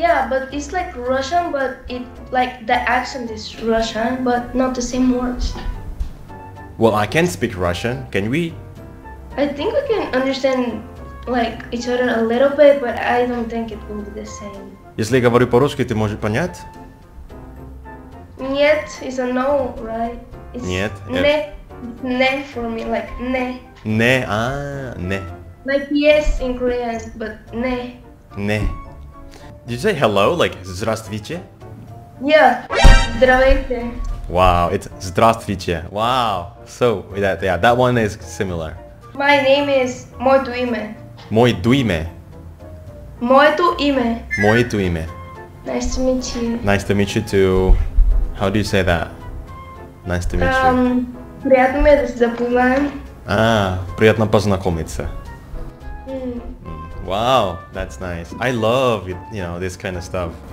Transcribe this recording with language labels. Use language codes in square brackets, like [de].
[en] But it's like Russian, but it, like, the accent is Russian, but not the same words. Well, I can speak Russian. Can we? I think we can understand like each other a little bit, but I don't think it will be the same. [ru] Если я говорю по-русски, ты можешь понять? Нет, [en] it's a no, right? It's [ru] нет. [en] Не for me, like не. [ru] Не, а, не. [en] Like yes in Korean, but не. Не. Did you say hello, like здравствуйте? Yeah, здравствуйте. Wow, it's здравствуйте. Wow, so that yeah, that one is similar. My name is [bg] Моето име. Моето име. Моето име. Моето име. [en] Nice to meet you. Nice to meet you too. How do you say that? Nice to meet you. [bg] Приятно ми е да се запознаем. [ru] Ah, приятно познакомиться. [en] Wow, that's nice. I love, you know, this kind of stuff.